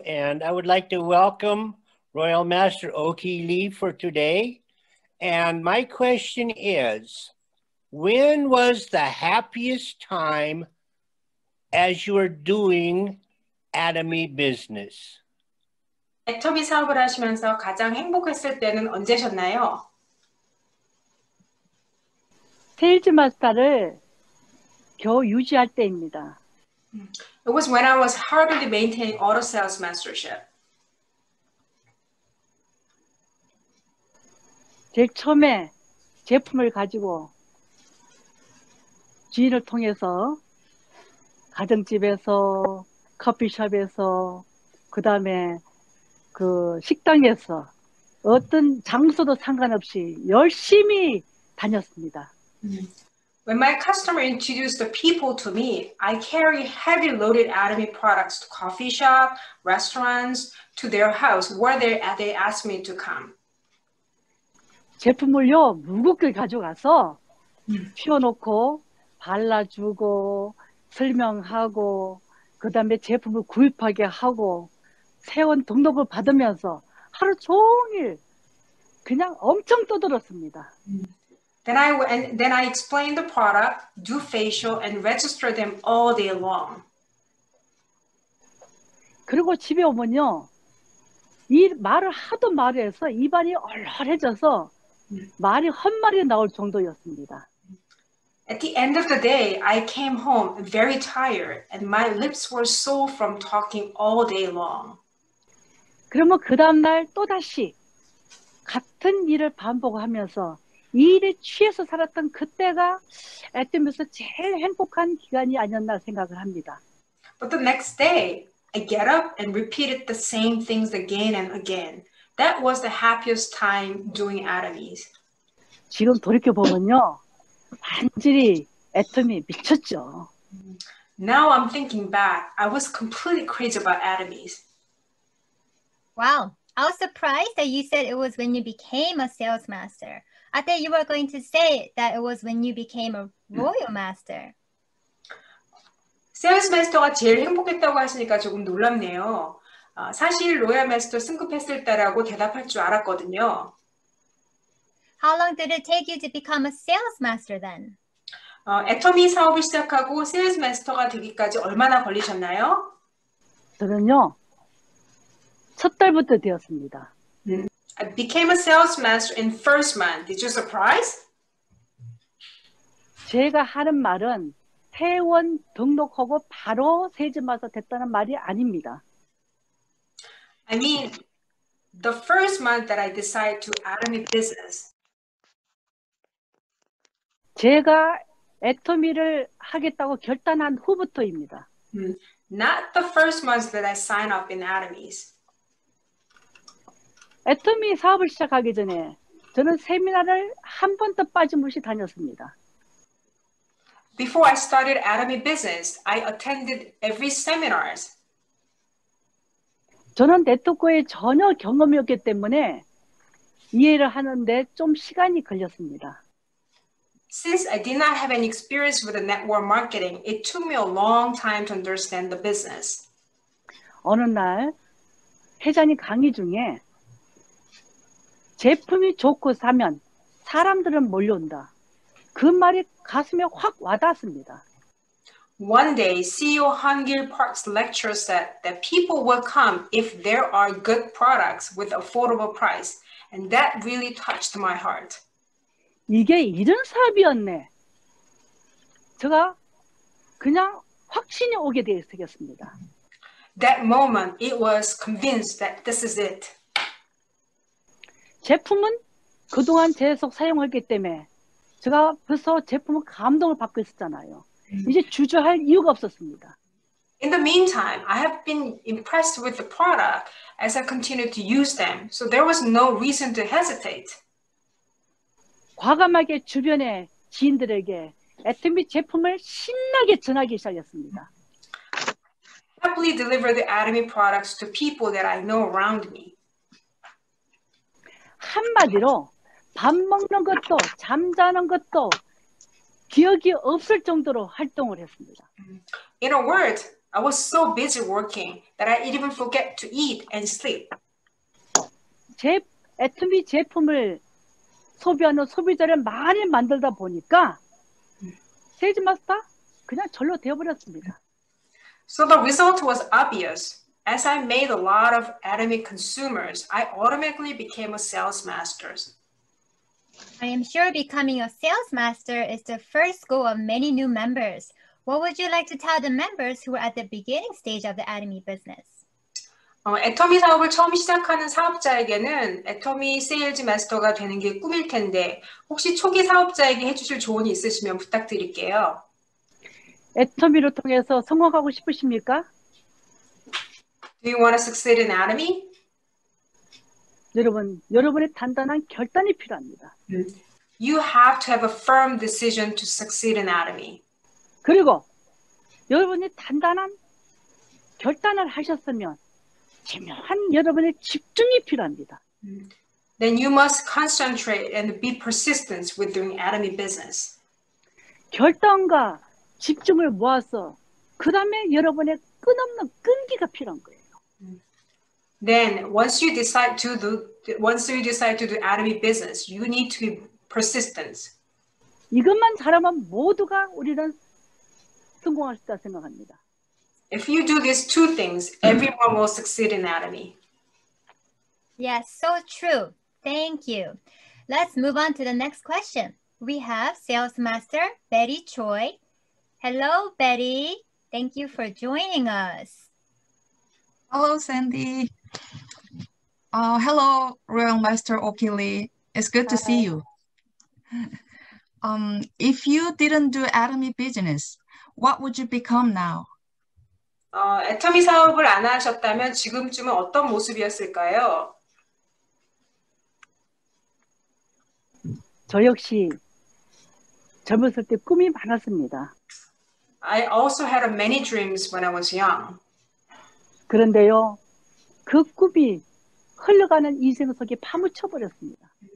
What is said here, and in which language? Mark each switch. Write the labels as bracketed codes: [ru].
[en] And I would like to welcome Royal Master Oki Lee for today. And my question is, when was the happiest time as you were doing anatomy business? [ko] 애터미 사업을 하시면서 가장 행복했을 때는 언제셨나요? 세일즈 마스터를 겨우 유지할 때입니다. [en] It was when I was hardly maintaining auto sales mastership. [ko] 제일 처음에 제품을 가지고 주인을 통해서 가정집에서 커피숍에서 그 다음에 그 식당에서 어떤 장소도 상관없이 열심히 다녔습니다. [en] When my customer introduced the people to me, I carry heavy loaded anatomy products to coffee shop, restaurants, to their house where they asked me to come. [ko] 제품을요 무겁게 가져가서 피워놓고 발라주고 설명하고 그 다음에 제품을 구입하게 하고 세원 등록을 받으면서 하루 종일 그냥 엄청 떠들었습니다. [en] Then I explain the product, do facial, and register them all day long. [ko] 그리고 집에 오면요, 이 말을 하도 말해서 입안이 얼얼해져서 말이 헛말이 나올 정도였습니다. [en] At the end of the day, I came home very tired, and my lips were sore from talking all day long. [ko] 그러면 그 다음날 또다시 같은 일을 반복하면서 이 일에 취해서 살았던 그때가 애터미에서 제일 행복한 기간이 아니었나 생각을 합니다. [en] But the next day, I get up and repeated the same things again and again. That was the happiest time doing anatomies. [ko] 지금 돌이켜보면요, 완전히 애터미 미쳤죠. [en] Now I'm thinking back, I was completely crazy about anatomies. Wow, I was surprised that you said it was when you became a sales master. I thought you were going to say that it was when you became a royal master. [ko] Sales master가 제일 행복했다고 하시니까 조금 놀랍네요. 사실 로얄 마스터 승급했을 때라고 대답할 줄 알았거든요. [en] How long did it take you to become a sales master then? [ko] 애터미 사업을 시작하고 sales master가 되기까지 얼마나 걸리셨나요? 저는요. 첫 달부터 되었습니다. [en] I became a sales master in first month. Did you surprise? [ko] 제가 하는 말은 회원 등록하고 바로 세일즈 마스터 됐다는 말이 아닙니다. [en] I mean, the first month that I decided to add a new business. [ko] 제가 애터미를 하겠다고 결단한 후부터입니다. [en] Not the first month that I signed up in anatomies. [ko] 애터미 사업을 시작하기 전에 저는 세미나를 한 번도 빠짐없이 다녔습니다. [en] Before I started anatomy business, I attended every seminars. [ko] 저는 네트워크에 전혀 경험이 없기 때문에 이해를 하는데 좀 시간이 걸렸습니다. [en] Since I did not have any experience with the network marketing, it took me a long time to understand the business. [ko] 어느 날 회장이 강의 중에 제품이 좋고 사면 사람들은 몰려온다. 그 말이 가슴에 확 와닿습니다. [en] One day, CEO Han Gil Park's lecturer said that people will come if there are good products with affordable price, and that really touched my heart. [ko] 이게 이런 사업이었네. 제가 그냥 확신이 오게 되었습니다. [en] That moment, it was convinced that this is it. [ko] 제품은 그동안 계속 사용했기 때문에 제가 벌써 제품을 감동을 받고 있었잖아요. 이제 주저할 이유가 없었습니다. [en] In the meantime, I have been impressed with the product as I continued to use them. So there was no reason to hesitate. [ko] 과감하게 주변의 지인들에게 애터미 제품을 신나게 전하기 시작했습니다. [en] Happily deliver the Atomy products to people that I know around me. [ko] 한마디로 밥 먹는 것도 잠자는 것도 기억이 없을 정도로 활동을 했습니다. [en] In a word, I was so busy working that I even forget to eat and sleep. [ko] 제 애터미 제품을 소비하는 소비자를 많이 만들다 보니까 세즈 마스터 그냥 절로 되어버렸습니다. [en] So the result was obvious. As I made a lot of Atomy consumers, I automatically became a sales master. I am sure becoming a sales master is the first goal of many new members. What would you like to tell the members who are at the beginning stage of the Atomy business? [ko] 애터미 사업을 처음 시작하는 사업자에게는 애터미 세일즈 마스터가 되는 게 꿈일 텐데 혹시 초기 사업자에게 해주실 조언이 있으시면 부탁드릴게요. 애터미를 통해서 성공하고 싶으십니까? [en] Do you want to succeed in Atomy? [ko] 여러분, 여러분의 단단한 결단이 필요합니다. [en] You have to have a firm decision to succeed in Atomy. [ko] 그리고 여러분이 단단한 결단을 하셨으면 중요한 여러분의 집중이 필요합니다. [en] Then you must concentrate and be persistent with doing Atomy business. [ko] 결단과 집중을 모아서 그 다음에 여러분의 끈없는 끈기가 필요한 거예요. [en] Then once you decide to do Atomy business, you need to be persistent. [ko] 이것만 잘하면 모두가 우리는 성공할 수 있다 생각합니다. [en] If you do these two things, everyone will succeed in Atomy. Yes, so true. Thank you. Let's move on to the next question. We have sales master Betty Choi. Hello, Betty. Thank you for joining us. Hello, Sandy. Hello, Royal Master Okili. It's good to see you. If you didn't do Atomy business, what would you become now? [ko] 애터미 사업을 안 하셨다면 지금쯤은 어떤 모습이었을까요? 저 역시 젊었을 때 꿈이 많았습니다. [en] I also had many dreams when I was young. [ko] 그런데요, 그 꿈이 흘러가는 인생 속에 파묻혀 버렸습니다.